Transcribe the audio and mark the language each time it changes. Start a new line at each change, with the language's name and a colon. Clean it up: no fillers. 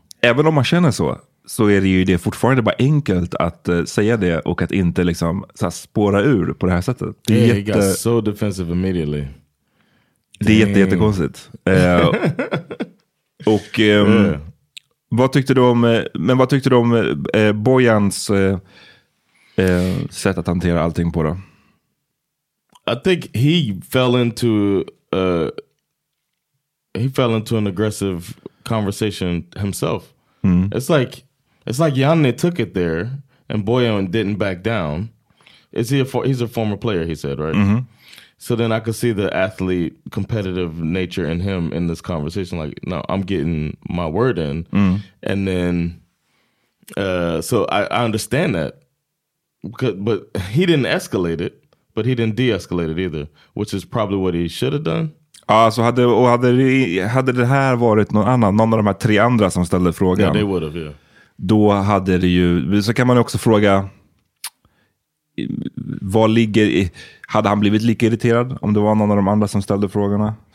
Swedish: Även om man känner så, så är det ju det fortfarande bara enkelt att säga det och att inte liksom så här, spåra ur på det här sättet. Det är
English: yeah,
Swedish: jätte...
English: he got so defensive immediately.
Swedish: Det är jättekonstigt. Och vad tyckte du om Bojans sätt att hantera allting på då?
English: I think he fell into an aggressive conversation himself. It's like Yanni took it there and Bojan didn't back down. He's a former player, he said, right? Mm-hmm. So then I could see the athlete competitive nature in him in this conversation. Like, no, I'm getting my word in. Mm. And then, so I understand that. But he didn't escalate it, but he didn't de-escalate it either, which is probably what he should have done.
Swedish: Så hade det här varit någon av de här tre andra som ställde frågan.
English: Yeah, they would have, yeah.
Swedish: Då hade det ju, så kan man också fråga. Vad ligger i, hade han blivit lika irriterad om det var någon av de andra som ställde frågan?